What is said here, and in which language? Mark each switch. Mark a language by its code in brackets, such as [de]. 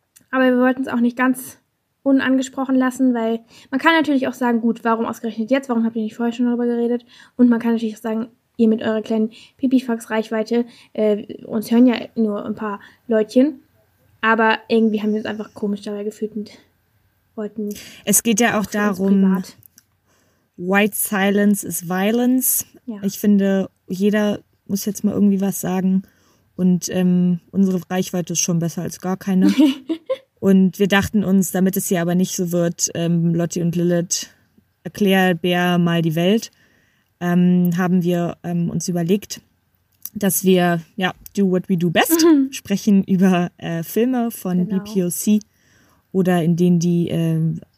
[de] Aber wir wollten es auch nicht ganz unangesprochen lassen, weil man kann natürlich auch sagen, gut, warum ausgerechnet jetzt, warum habt ihr nicht vorher schon darüber geredet? Und man kann natürlich auch sagen, ihr mit eurer kleinen Pipifax-Reichweite, uns hören ja nur ein paar Leutchen, aber irgendwie haben wir uns einfach komisch dabei gefühlt und wollten... Es geht ja auch darum... [en] White silence is violence. [de] Ja. Ich finde, jeder muss jetzt mal irgendwie was sagen. Und unsere Reichweite ist schon besser als gar keine. Und wir dachten uns, damit es hier aber nicht so wird, Lotti und Lilith, erklär Bär mal die Welt, haben wir uns überlegt, dass wir [en] do what we do best, [de] sprechen über Filme von BPOC oder in denen die...